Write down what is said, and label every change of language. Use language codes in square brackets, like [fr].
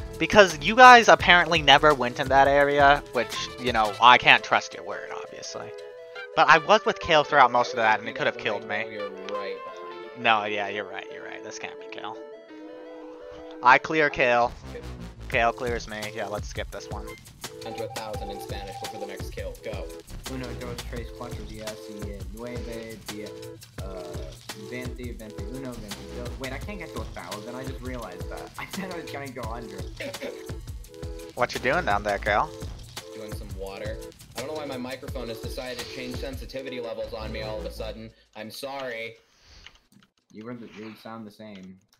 [en] Because you guys apparently never went in that area, which, you know, I can't trust your word, obviously. But I was with Kael throughout most of that, and it could have killed me. No, yeah, you're right. This can't be Kael. I clear Kael. Kael clears me. Yeah, let's skip this one. Enter 1,000 in Spanish, look for the next Kael. Go. [es] Uno, dos, tres, cuatro, diez, y nueve, diez, veinte, uno, veinte, dos. [en] Wait, I can't get to 1,000, I just realized that. I said I was gonna go under. What you doing down there, Kael? Doing some water. I don't know why my microphone has decided to change sensitivity levels on me all of a sudden. I'm sorry. You sound the same.